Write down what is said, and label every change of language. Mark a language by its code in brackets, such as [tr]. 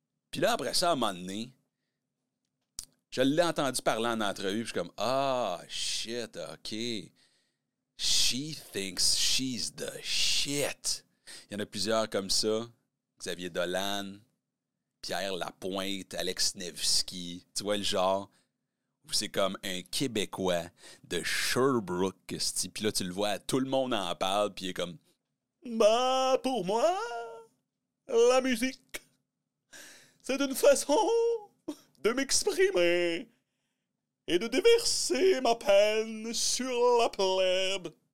[fr] Puis là, après ça, à un moment donné, je l'ai entendu parler en entrevue, puis je suis comme, ah, oh, shit, OK. [en] She thinks she's the shit. [fr] Il y en a plusieurs comme ça. Xavier Dolan, Pierre Lapointe, Alex Nevsky, tu vois le genre. Où c'est comme un Québécois de Sherbrooke, c'ti. Puis là, tu le vois, tout le monde en parle, puis il est comme, bah, pour moi, la musique, c'est une façon de m'exprimer et de déverser ma peine sur la plèbe.